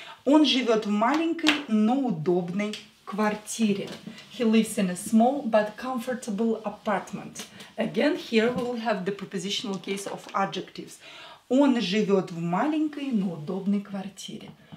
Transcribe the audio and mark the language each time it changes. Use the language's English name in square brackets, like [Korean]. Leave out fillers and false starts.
[Russian] Он живет в маленькой, но удобной квартире. [English] He lives in a small but comfortable apartment. Again, here we'll have the prepositional case of adjectives. [Russian] Он живет в маленькой, но удобной квартире.